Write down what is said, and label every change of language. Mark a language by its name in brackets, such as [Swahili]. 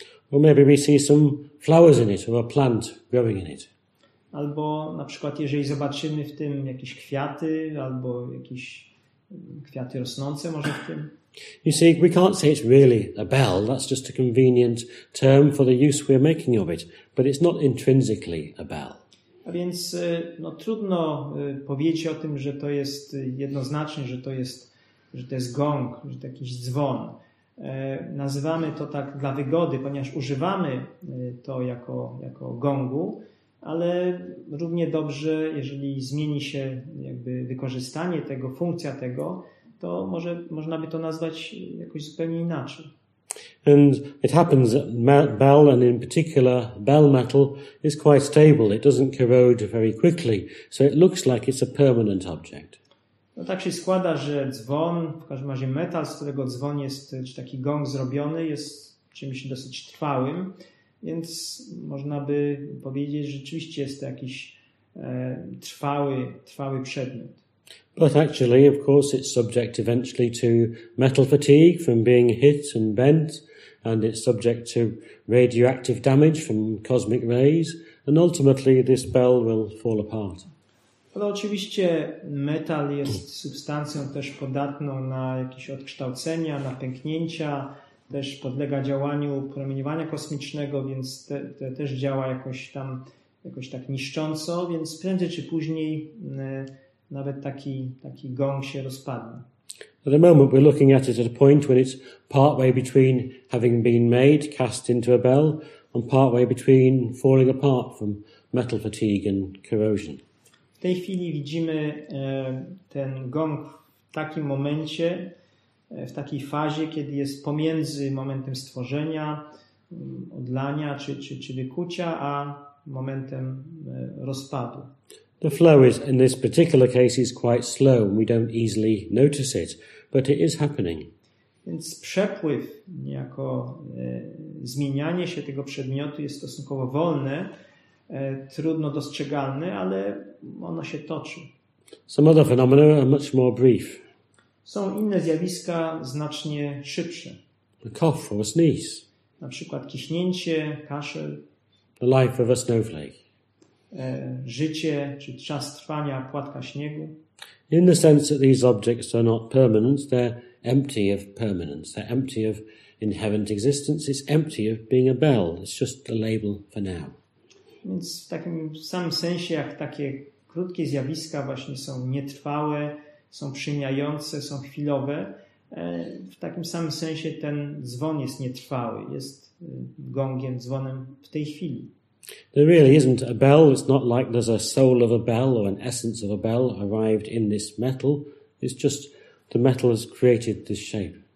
[English] Or maybe we see some flowers in it, or a plant growing in it. [Polish] Albo na przykład, jeżeli zobaczymy w tym jakieś kwiaty, albo jakieś kwiaty rosnące może w tym. [English] You see, we can't say it's really a bell. That's just a convenient term for the use we're making of it. But it's not intrinsically a bell. [Polish] A więc no, trudno powiedzieć o tym, że to jest jednoznacznie, że to jest gong, że to jakiś dzwon. Nazywamy to tak dla wygody, ponieważ używamy to jako gongu, ale równie dobrze, jeżeli zmieni się jakby wykorzystanie tego, funkcja tego, to może można by to nazwać jakoś zupełnie inaczej. [English] And it happens that bell, and in particular bell metal, is quite stable. It doesn't corrode very quickly, so it looks like it's a permanent object. [Polish] No tak się składa, że dzwon, w każdym razie metal, z którego dzwon jest, czy taki gong zrobiony, jest czymś dosyć trwałym, więc można by powiedzieć, że rzeczywiście jest to jakiś trwały przedmiot. [English] But actually, of course, it's subject eventually to metal fatigue from being hit and bent, and it's subject to radioactive damage from cosmic rays, and ultimately this bell will fall apart. [Polish] Ale oczywiście metal jest substancją też podatną na jakieś odkształcenia, na pęknięcia, też podlega działaniu promieniowania kosmicznego, więc te też działa jakoś tam, jakoś tak niszcząco, więc prędzej czy później nawet taki gong się rozpadnie. [English] At the moment we're looking at it at a point when it's partway between having been made, cast into a bell, and partway between falling apart from metal fatigue and corrosion. [Polish] W tej chwili widzimy ten gong w takim momencie, w takiej fazie, kiedy jest pomiędzy momentem stworzenia, odlania czy wykucia, a momentem rozpadu. [English] The flow is, in this particular case, is quite slow. We don't easily notice it, but it is happening. [Polish] Więc przepływ, niejako zmienianie się tego przedmiotu jest stosunkowo wolne, trudno dostrzegalne, ale ono się toczy. [English] Some other phenomena are much more brief. [Polish] Są inne zjawiska znacznie szybsze. [English] A cough or a sneeze. [Polish] Na przykład kichnięcie, kaszel. [English] The life of a snowflake. [Polish] Życie czy czas trwania płatka śniegu. [English] In the sense that these objects are not permanent, they're empty of permanence, they're empty of inherent existence, it's empty of being a bell, it's just a label for now. [Polish] Więc w takim samym sensie, jak takie krótkie zjawiska właśnie są nietrwałe, są przemijające, są chwilowe, w takim samym sensie ten dzwon jest nietrwały, jest gongiem, dzwonem w tej chwili. [English] There really isn't a bell. It's not like there's a soul of a bell or an essence of a bell arrived in this metal. It's just the metal has created this shape.